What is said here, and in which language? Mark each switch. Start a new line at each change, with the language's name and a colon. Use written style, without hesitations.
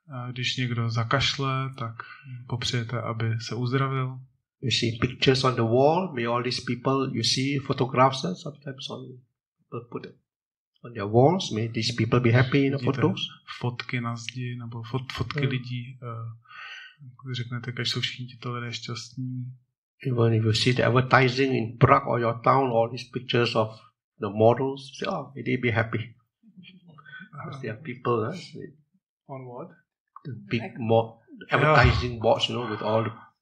Czech: Když někdo zakašle, tak popřejete, aby se uzdravil.
English: You see pictures on the wall, may all these people, you see photographs sometimes on people put on their walls, may these people be happy in the photos.
Czech: Fotky na zdi, nebo fotky lidí, řeknete, když jsou všichni tito lidé šťastní.
English: Even if you see the advertising in Prague or your town, all these pictures of the models, you say, oh, may they be happy. Because they are people, eh? On what? The big advertising boards, you know, with all the